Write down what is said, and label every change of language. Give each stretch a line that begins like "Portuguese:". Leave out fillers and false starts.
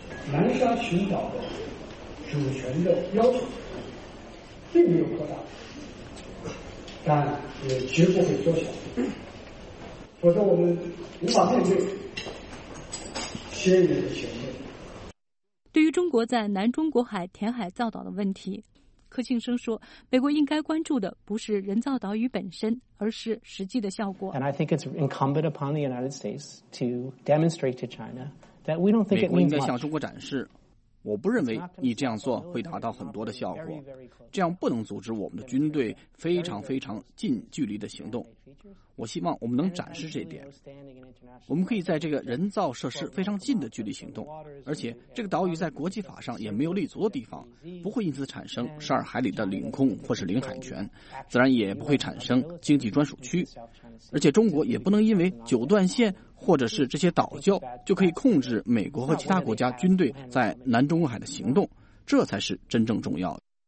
Chinese: 南沙群岛的主权的要求并没有扩大，但也绝不会缩小，否则我们无法面对。对于中国在南中国海填海造岛的问题，柯庆生说，美国应该关注的不是人造岛屿本身，而是实际的效果。
English: And I think it's incumbent upon the United States to demonstrate to China that we don't think it means much.
Chinese: 应该向中国展示，我不认为你这样做会达到很多的效果，这样不能阻止我们的军队非常非常近距离的行动。我希望我们能展示这一点，我们可以在这个人造设施非常近的距离行动，而且这个岛屿在国际法上也没有立足的地方，不会因此产生十二海里的领空或是领海权，自然也不会产生经济专属区，而且中国也不能因为九段线或者是这些岛礁就可以控制美国和其他国家军队在南中国海的行动，这才是真正重要的。